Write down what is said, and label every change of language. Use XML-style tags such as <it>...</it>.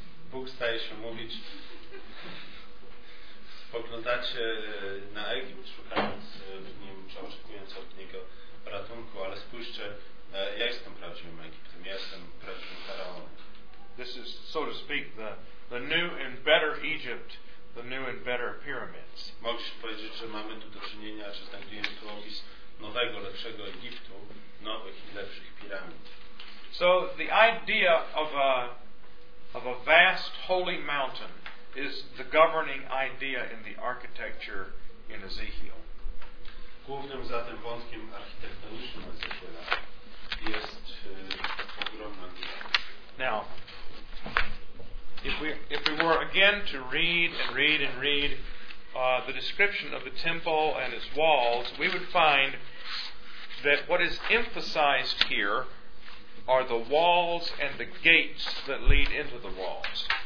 <pl>Bóg staje się mówić, spoglądacie na Egipt, szukając w nim, czy oczekując od niego ratunku, ale spójrzcie, ja jestem prawdziwym Egiptem, ja jestem prawdziwym faraonem.</pl> <en>This is, so to speak, the new and better Egypt, the new and better pyramids.</en> <pl>Mogliśmy powiedzieć, że mamy tu do czynienia, czy znajdujemy tu opis nowego, lepszego Egiptu, nowych i lepszych piramid.</pl> <en>So the idea of a vast holy mountain is the governing idea in the architecture in Ezekiel.</en> <pl>Głównym zatem wątkiem architektonicznym Ezekiela jest ogromna wizja.</pl> <en>Now, if we were again to read and read and read the description of the temple and its walls, we would find that what is emphasized here are the walls and the gates that lead into the walls.</en>